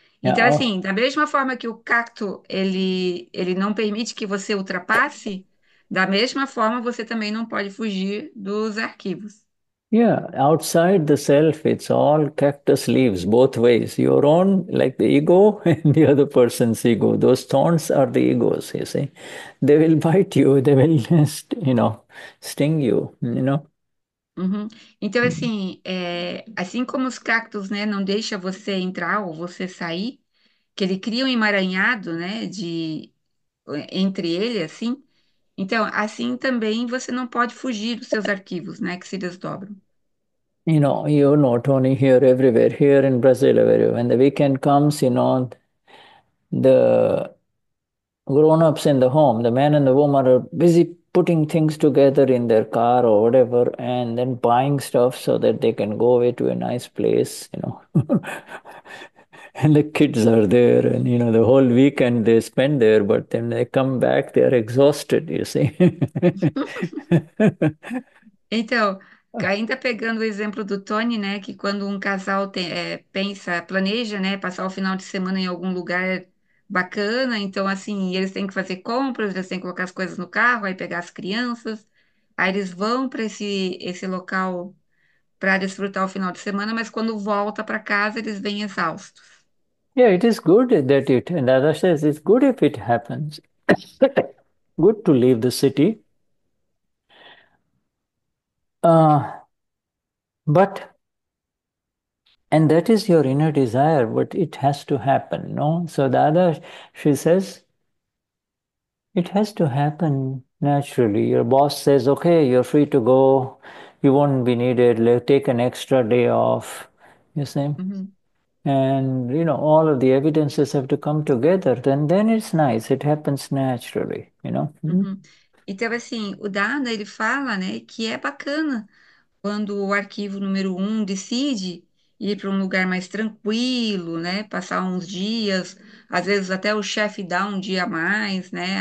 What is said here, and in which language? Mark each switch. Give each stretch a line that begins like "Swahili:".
Portuguese: Então, assim, da mesma forma que o cacto ele não permite que você ultrapasse, da mesma forma, você também não pode fugir dos arquivos.
English: Outside the self, it's all cactus leaves, both ways. Your own, like the ego, and the other person's ego. Those thorns are the egos, you see. They will bite you, they will just, you know, sting you know.
Portuguese: Então, assim, assim como os cactos, né, não deixa você entrar ou você sair, que ele cria um emaranhado, né, entre ele, assim. Então, assim também você não pode fugir dos seus arquivos, né, que se desdobram.
English: You know, Tony, here, everywhere, here in Brazil, everywhere. When the weekend comes, you know, the grown-ups in the home, the man and the woman are busy putting things together in their car or whatever, and then buying stuff so that they can go away to a nice place, you know. And the kids are there, and you know, the whole weekend they spend there, but then they come back, they are exhausted, you see.
Portuguese: Então, ainda pegando o exemplo do Tony, né, que quando um casal planeja, né, passar o final de semana em algum lugar bacana, então assim, eles têm que fazer compras, eles têm que colocar as coisas no carro, aí pegar as crianças, aí eles vão para esse local para desfrutar o final de semana, mas quando volta para casa, eles vêm exaustos.
English: Yeah, it is good that it, and Dada says it's good if it happens. Good to leave the city. And that is your inner desire, but it has to happen, no? So Dada, she says, it has to happen naturally. Your boss says, okay, you're free to go. You won't be needed. Take an extra day off, you see? And you know, all of the evidences have to come together, then it's nice, it happens naturally, you know.
Portuguese: Então, assim, o Dana, ele fala, né, que é bacana quando o arquivo número 1 decide ir para um lugar mais tranquilo, né? Passar uns dias, às vezes até o chefe dá um dia a mais, né?